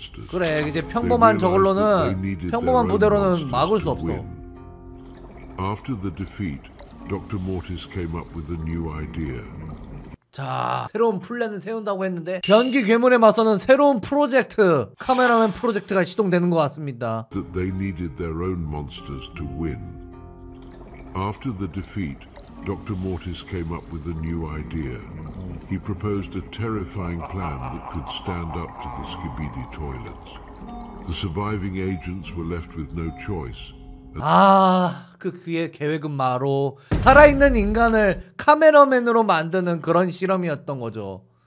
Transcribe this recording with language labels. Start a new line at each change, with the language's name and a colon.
Korean: 그래, 이제 평범한 저걸로는 평범한 부대로는 막을 수 없어.
English: After the defeat, Dr. Mortis came up with a new idea.
Korean: 자, 새로운 플랜을 세운다고 했는데 변기 괴물에 맞서는 새로운 프로젝트, 카메라맨 프로젝트가 시동되는 것 같습니다.
English: That they needed their own monsters to win. After the defeat, Dr. Mortis came up with a new idea. He proposed a terrifying plan that could stand up to the Skibidi toilets. The surviving agents were left with no choice.
Korean: 아, 그의 계획은 바로 살아있는 인간을 카메라맨으로 만드는 그런 실험이었던 거죠.